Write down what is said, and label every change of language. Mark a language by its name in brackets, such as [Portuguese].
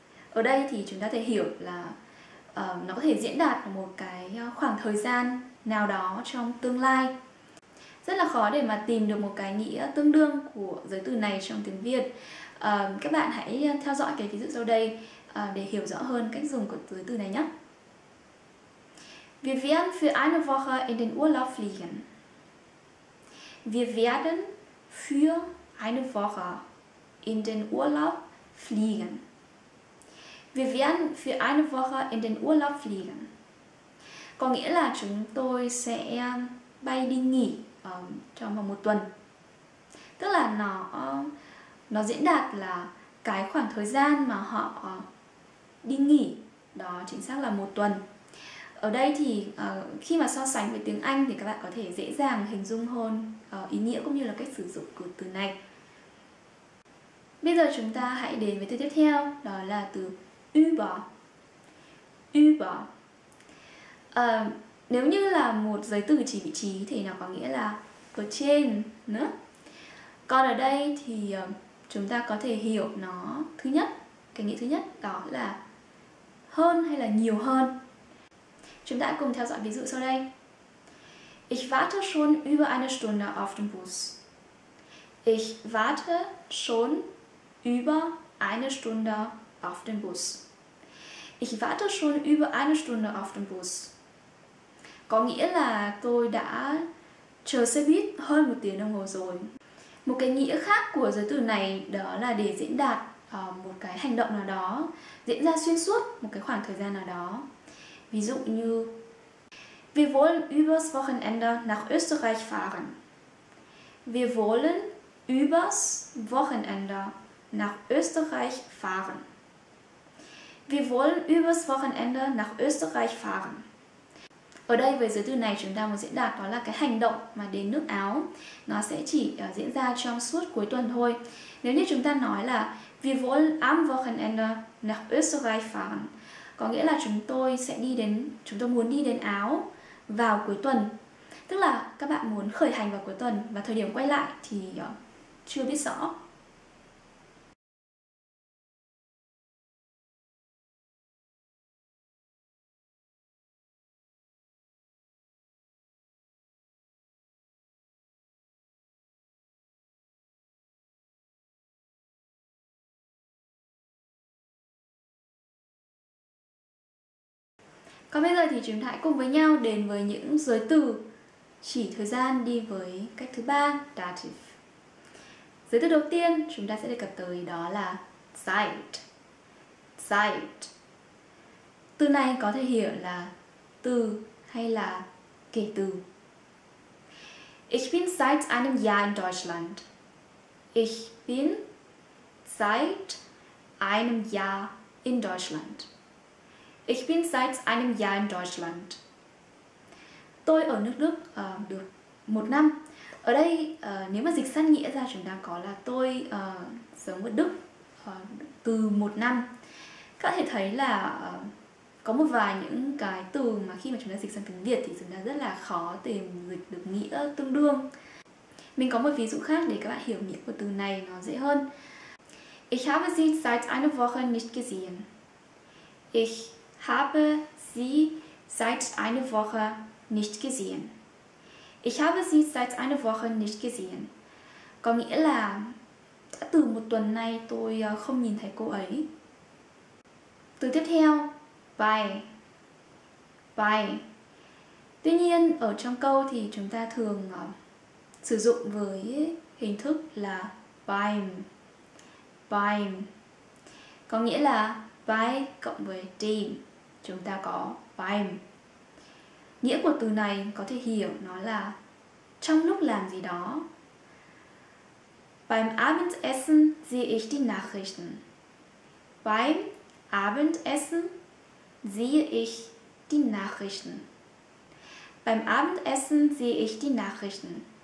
[Vietnamese] Ở đây thì chúng ta có thể hiểu là nó có thể diễn đạt một cái khoảng thời gian nào đó trong tương lai. Rất là khó để mà tìm được một cái nghĩa tương đương của giới từ này trong tiếng Việt. Các bạn hãy theo dõi cái ví dụ sau đây để hiểu rõ hơn cách dùng của giới từ này nhé. [German] Wir werden für eine Woche in den Urlaub fliegen. Wir werden für eine Woche in den Urlaub fliegen. Wir werden für eine Woche in den Urlaub fliegen. [Vietnamese] Có nghĩa là chúng tôi sẽ bay đi nghỉ trong vòng một tuần. Tức là nó diễn đạt là cái khoảng thời gian mà họ đi nghỉ, đó chính xác là một tuần. Ở đây thì khi mà so sánh với tiếng Anh thì các bạn có thể dễ dàng hình dung hơn ý nghĩa cũng như là cách sử dụng của từ này. Bây giờ chúng ta hãy đến với từ tiếp theo, đó là từ über. [German] Über. [Vietnamese] Nếu như là một giới từ chỉ vị trí thì nó có nghĩa là ở trên nữa. Còn ở đây thì chúng ta có thể hiểu nó thứ nhất, cái nghĩa thứ nhất đó là hơn hay là nhiều hơn. Chúng ta cùng theo dõi ví dụ sau đây. [German] Ich warte schon über eine Stunde auf den Bus. Ich warte schon über eine Stunde auf den Bus. Ich warte schon über eine Stunde auf den Bus. [Vietnamese] Có nghĩa là tôi đã chờ xe buýt hơn một tiếng đồng hồ rồi. Một cái nghĩa khác của giới từ này đó là để diễn đạt một cái hành động nào đó diễn ra xuyên suốt một cái khoảng thời gian nào đó. Ví dụ như [German] Wir wollen übers Wochenende nach Österreich fahren. Wir wollen übers Wochenende nach Österreich fahren. Wir wollen übers Wochenende nach Österreich fahren. [Vietnamese] Ở đây với giới từ này chúng ta muốn diễn đạt đó là cái hành động mà đến nước Áo, nó sẽ chỉ diễn ra trong suốt cuối tuần thôi. Nếu như chúng ta nói là [German] Wir wollen am Wochenende nach Österreich fahren, [Vietnamese] có nghĩa là chúng tôi muốn đi đến Áo vào cuối tuần. Tức là các bạn muốn khởi hành vào cuối tuần và thời điểm quay lại thì chưa biết rõ. Còn bây giờ thì chúng ta hãy cùng với nhau đến với những giới từ chỉ thời gian đi với cách thứ ba, dative. Giới từ đầu tiên chúng ta sẽ đề cập tới đó là Zeit. [German] Zeit. [Vietnamese] Từ này có thể hiểu là từ hay là kể từ. [German] Ich bin seit einem Jahr in Deutschland. Ich bin seit einem Jahr in Deutschland. Ich bin seit einem Jahr in Deutschland. [Vietnamese] Tôi ở nước Đức được một năm. Ở đây nếu mà dịch sát nghĩa ra chúng ta có là tôi sống ở Đức từ một năm. Các bạn thể thấy là có một vài những cái từ mà khi mà chúng ta dịch sang tiếng Việt thì chúng ta rất là khó tìm dịch được nghĩa tương đương. Mình có một ví dụ khác để các bạn hiểu nghĩa của từ này nó dễ hơn. Ich habe sie seit einer Woche nicht gesehen. Ich habe sie seit einer Woche nicht gesehen. Ich habe sie seit einer Woche nicht gesehen. Có nghĩa là từ một tuần nay tôi không nhìn thấy cô ấy. Từ tiếp theo, bye. Tuy nhiên, ở trong câu thì chúng ta thường sử dụng với hình thức là beim, có nghĩa là bei cộng với dem, chúng ta có beim. Nghĩa của từ này có thể hiểu nó là trong lúc làm gì đó. [German] Beim Abendessen sehe ich die Nachrichten. Beim Abendessen sehe ich die Nachrichten. Beim Abendessen sehe ich die Nachrichten.